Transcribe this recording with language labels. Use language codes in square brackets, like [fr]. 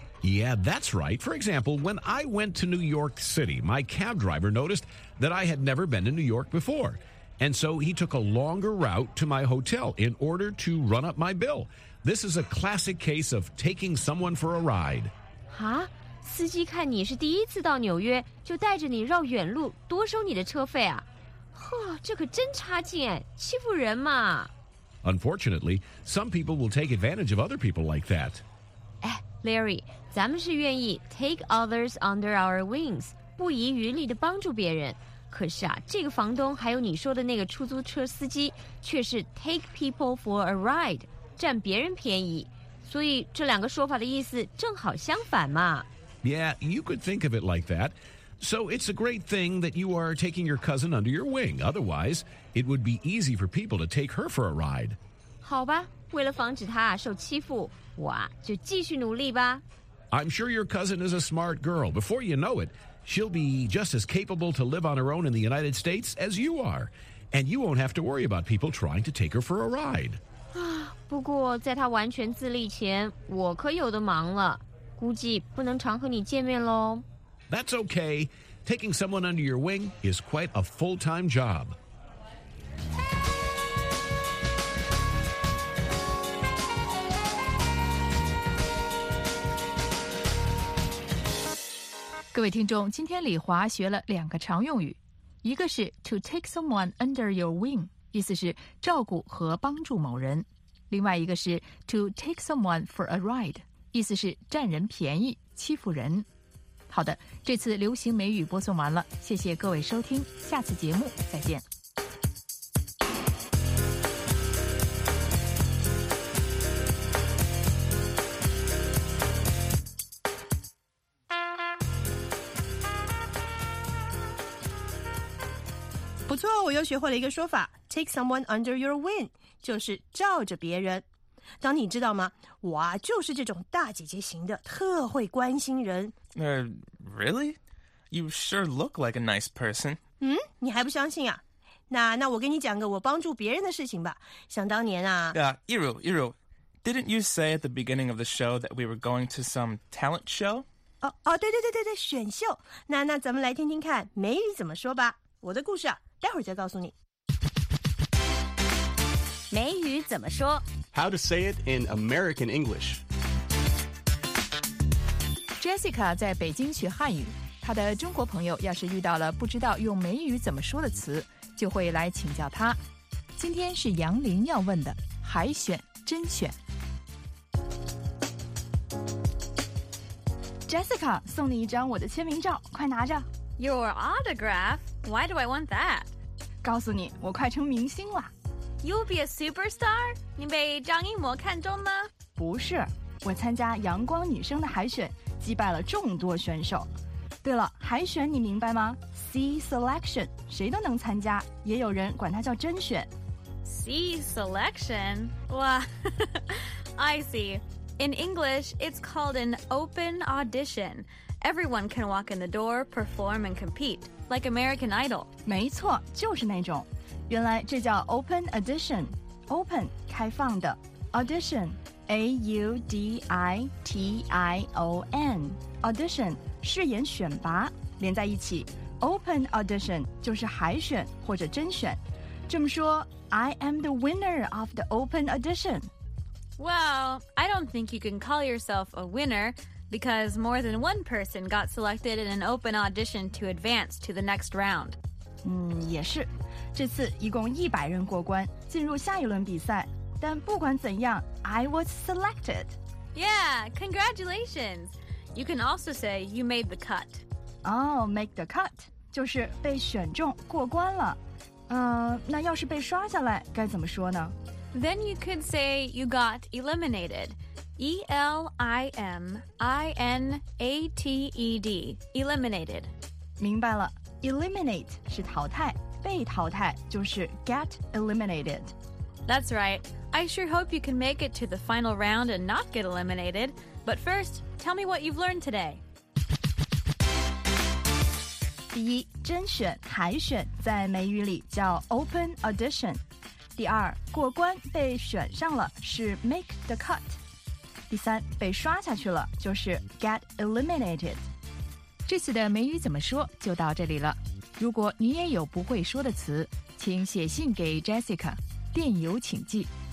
[en] Yeah, that's right. For example, when I went to New York City, my cab driver noticed that I had never been to New York before. And so he took a longer route to my hotel in order to run up my bill. This is a classic case of taking someone for a ride. Huh? [zh] 司机看你是第一次到纽约，就带着你绕远路，多收你的车费啊。呵，这可真差劲哎，欺负人嘛。 [en] Unfortunately, some people will take advantage of other people like that. [zh] Larry, 咱们是愿意 [en] take others under our wings, [zh] 不遗余力地帮助别人。可是啊，这个房东还有你说的那个出租车司机，却是 [en] take people for a ride, [zh] 占别人便宜。所以这两个说法的意思正好相反嘛。 [en] Yeah, you could think of it like that. So it's a great thing that you are taking your cousin under your wing. Otherwise, it would be easy for people to take her for a ride. [zh] 好吧。为了防止他受欺负，我就继续努力吧。 I'm sure your cousin is a smart girl. Before you know it, she'll be just as capable to live on her own in the United States as you are. And you won't have to worry about people trying to take her for a ride. 不过在她完全自立前，我可有的忙了，估计不能常和你见面咯。 [en] That's okay. Taking someone under your wing is quite a full-time job. [zh] 各位听众，今天李华学了两个常用语，一个是 [en] to take someone under your wing， [zh] 意思是照顾和帮助某人；另外一个是 [en] to take someone for a ride， [zh] 意思是占人便宜、欺负人。好的，这次流行美语播送完了，谢谢各位收听，下次节目再见。不错，我又学会了一个说法 [en] take someone under your wing， [zh] 就是罩着别人。当你知道吗，我就是这种大姐姐型的，特会关心人。 [en] Really? You sure look like a nice person. [zh] 嗯，你还不相信啊？那我给你讲个我帮助别人的事情吧。想当年啊。 [en] Iru, didn't you say at the beginning of the show that we were going to some talent show? [zh] 对，选秀。那咱们来听听看美语怎么说吧。我的故事啊。待会儿再告诉你。美语怎么说？ [en] How to say it in American English. [zh] Jessica 在北京学汉语，她的中国朋友要是遇到了不知道用美语怎么说的词，就会来请教她。今天是杨林要问的，海选、甄选。 Jessica， 送你一张我的签名照，快拿着。 [en] Your autograph? Why do I want that? [zh] 告诉你，我快成明星了。 [en] You'll be a superstar? [zh] 你被张艺谋看中吗？不是，我参加阳光女生的海选，击败了众多选手。对了，海选你明白吗？C selection， 谁都能参加，也有人管它叫甄选。 [en] C selection? Wow, I see. In English, it's called an open audition. Everyone can walk in the door, perform, and compete, like American Idol. [zh] 没错，就是那种。原来这叫 open audition. [en] Open, 开放的。Audition, A-U-D-I-T-I-O-N. [zh] Audition, 试验选拔。连在一起， open audition 就是海选或者甄选。这么说， [en] I am the winner of the open audition. Well, I don't think you can call yourself a winner. Because more than one person got selected in an open audition to advance to the next round. [zh] 也是。这次一共100人过关，进入下一轮比赛。但不管怎样， [en] I was selected. Yeah, congratulations. You can also say you made the cut. Oh, make the cut. [zh] 就是被选中过关了。那要是被刷下来该怎么说呢 [en] Then you could say you got eliminated. E-L-I-M-I-N-A-T-E-D. Eliminated. [zh] 明白了 Eliminate 是淘汰被淘汰就是 get eliminated. [en] That's right. I sure hope you can make it to the final round and not get eliminated. But first, tell me what you've learned today. [zh] 第一，甄选、海选在美语里叫 open audition。第二，过关被选上了是 make the cut。第三，被刷下去了就是 get eliminated。这次的美语怎么说就到这里了。如果你也有不会说的词，请写信给 Jessica， 电邮请寄